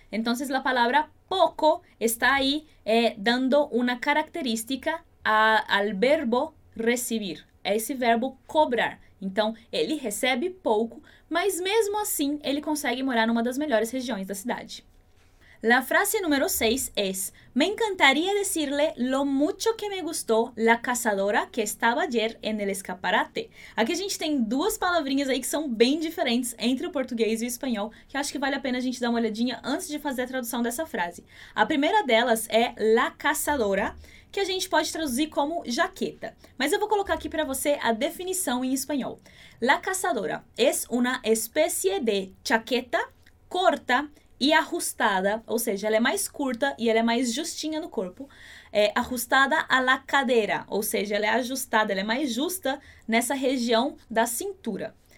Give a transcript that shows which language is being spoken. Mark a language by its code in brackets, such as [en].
[pt] Então, a palavra poco está aí dando uma característica ao verbo recibir. É esse verbo cobrar. Então, ele recebe pouco, mas mesmo assim, ele consegue morar numa das melhores regiões da cidade. [es] La frase número 6 es: me encantaría decirle lo mucho que me gustó la cazadora que estaba ayer en el escaparate. [pt] Aqui a gente tem duas palavrinhas aí que são bem diferentes entre o português e o espanhol, que acho que vale a pena a gente dar uma olhadinha antes de fazer a tradução dessa frase. A primeira delas é la cazadora, que a gente pode traduzir como jaqueta. Mas eu vou colocar aqui para você a definição em espanhol. [es] La cazadora es una especie de chaqueta corta [pt] e ajustada, ou seja, ela é mais curta e ela é mais justinha no corpo, [es] ajustada a la cadera, [pt] ou seja, ela é ajustada, ela é mais justa nessa região da cintura.